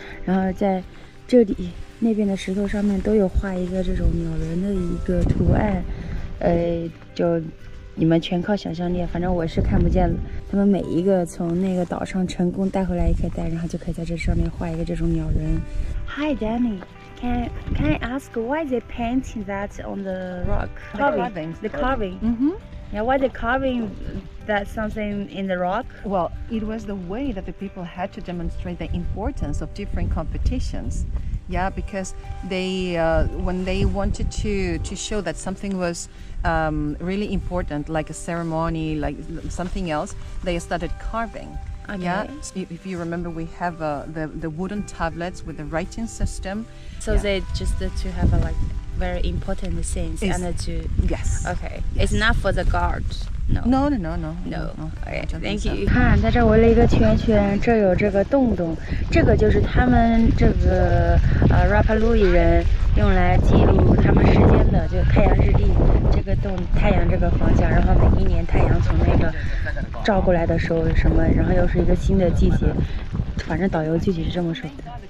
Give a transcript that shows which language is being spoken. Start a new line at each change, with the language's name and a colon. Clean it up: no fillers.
Chinese: 然后在这里那边的石头上面都有画一个这种鸟人的一个图案，就你们全靠想象力，反正我是看不见他们每一个从那个岛上成功带回来一颗蛋，然后就可以在这上面画一个这种鸟人。
English: Hi Danny, can I ask why they painting that on the rock? The carving. Mm-hmm. Yeah, why they carving that something in the rock? Well, it was the way that the people had to demonstrate the importance of different competitions. Yeah, because they, when they wanted to show that something was, really important, like a ceremony, like something else, they started carving. Okay. Yeah, so if you remember, we have the wooden tablets with the writing system. So yeah. They just to have a, like, very important things and to... Yes. Okay, yes. It's not for the guards. No. Okay, thank you.
Chinese: 看，在这围了一个圈圈，这有这个洞洞，这个就是他们这个Rapalui 人用来记录他们时间的，就太阳日历这个洞，太阳这个方向，然后每一年太阳从那个照过来的时候什么，然后又是一个新的季节，反正导游具体是这么说的。